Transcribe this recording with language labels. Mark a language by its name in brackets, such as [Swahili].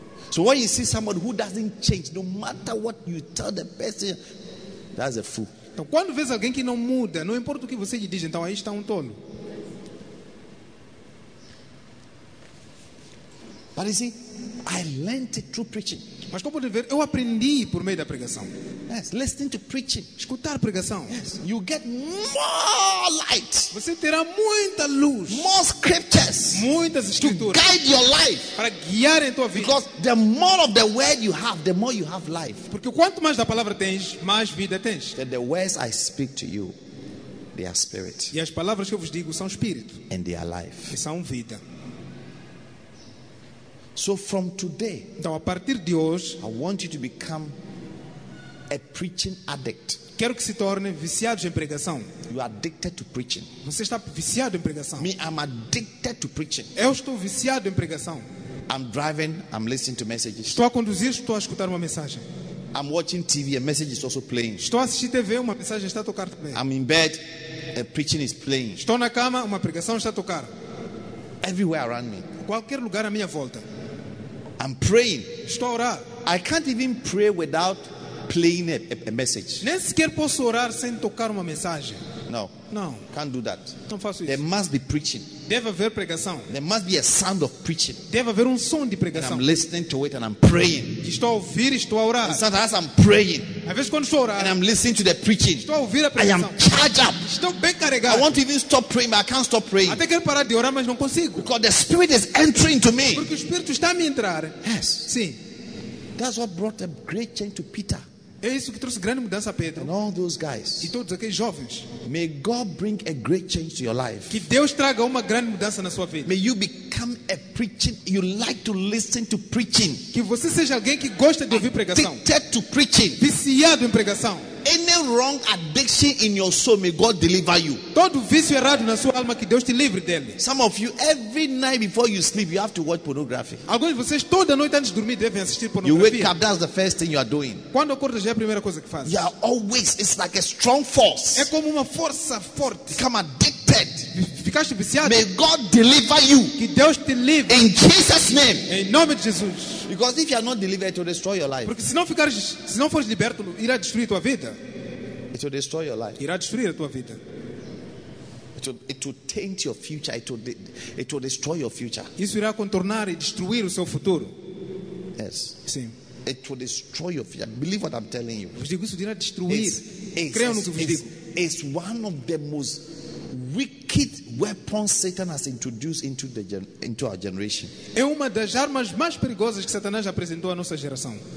[English] So when you see someone who doesn't change, no matter what you tell the person, that's a fool. [Portuguese] Então quando vês alguém que não muda, não importa o que você lhe diz, então aí está um tolo. [English] But you see, I learned it through preaching. [Portuguese] Mas como pode ver, eu aprendi por meio da pregação. [English] Yes, listening to preaching. [Portuguese] Escutar a pregação. [English] Yes, you get more light. [Portuguese] Você terá muita luz. [English] More scriptures. [Portuguese] Muitas escrituras. [English] To guide your life. [Portuguese] Para guiar em tua vida. [English] Because the more of the word you have, the more you have life. [Portuguese] Porque quanto mais da palavra tens, mais vida tens. [English] That the words I speak to you, they are spirit. [Portuguese] E as palavras que eu vos digo são espírito. [English] And they are life. [Portuguese] E são vida. [English] So from today, [Portuguese] então, a partir de hoje, [English] I want you to become a preaching addict. [Portuguese] Quero que se torne viciado em pregação. [English] You are addicted to preaching. [Portuguese] Você está viciado em pregação. [English] Me, I'm addicted to preaching. [Portuguese] Eu estou viciado em pregação. [English] I'm driving, I'm listening to messages. [Portuguese] Estou a conduzir, estou a escutar uma mensagem. [English] I'm watching TV, a message is also playing. [Portuguese] Estou a assistir TV, uma mensagem está a tocar também. [English] I'm in bed, a preaching is playing. [Portuguese] Estou na cama, uma pregação está a tocar. [English] Everywhere around me. [Portuguese] Qualquer lugar à minha volta. [English] I'm praying. [Portuguese] Estou a orar. [English] I can't even pray without playing a message. [Portuguese] Nem sequer posso orar sem tocar uma mensagem. [English] No. [Portuguese] No. [English] Can't do that. [Portuguese] Não faço isso. [English] There must be preaching. [Portuguese] Deve haver pregação. [English] There must be a sound of preaching. [Portuguese] Deve haver um som de pregação. [English] And I'm listening to it and I'm praying. [Portuguese] Estou a ouvir, estou a orar. [English] And sometimes I'm praying. [Portuguese] Às vezes quando estou a orar. [English] And I'm listening to the preaching. [Portuguese] Estou a ouvir a pregação. [English] I am charged up. [Portuguese] Estou bem carregado. [English] I want to even stop praying, but I can't stop praying. [Portuguese] Até quero parar de orar, mas não consigo. [English] Because the spirit is entering into me. [Portuguese] Porque o espírito está a me entrar. [English] Yes. [Portuguese] Sim. [English] That's what brought a great change to Peter. [Portuguese] É isso que trouxe grande mudança a Pedro. [English] And all those guys, [Portuguese] e todos aqueles jovens. [English] May God bring a great change to your life. [Portuguese] Que Deus traga uma grande mudança na sua vida. [English] May you become a preaching. You like to listen to preaching. [Portuguese] Que você seja alguém que gosta de ouvir pregação. [English] Addicted to preaching. [Portuguese] Viciado em pregação. [English] Any wrong addiction in your soul, may God deliver you. [Portuguese] Todo vício errado na sua alma, que Deus te livre dele. [English] Some of you, every night before you sleep, you have to watch pornography. [Portuguese] Alguns de vocês, toda noite antes de dormir, devem assistir pornografia. [English] You wake up, that's the first thing you are doing. [Portuguese] Quando acordas, é a primeira coisa que faz. [English] You are always, it's like a strong force. [Portuguese] É como uma força forte. [English] Become addicted. [Portuguese] Ficaste viciado. [English] May God deliver you. [Portuguese] Que Deus te livre. [English] In Jesus' name. [Portuguese] Em nome de Jesus. [English] Because if you are not delivered, it will destroy your life. [Portuguese] Porque se não fores liberto, irá destruir tua vida. [English] It will destroy your life. [Portuguese] Irá destruir a tua vida. [English] It will taint your future. It will destroy your future. [Portuguese] Isso irá contornar e destruir o seu futuro. [English] Yes. [Portuguese] Sim. [English] It will destroy your future. Believe what I'm telling you. [Portuguese] Vos digo, isso irá destruir. Creio no que vos digo. [English] It's one of the most wicked weapons Satan has introduced into our generation. [Portuguese] É uma das armas mais perigosas que Satanás apresentou à nossa geração.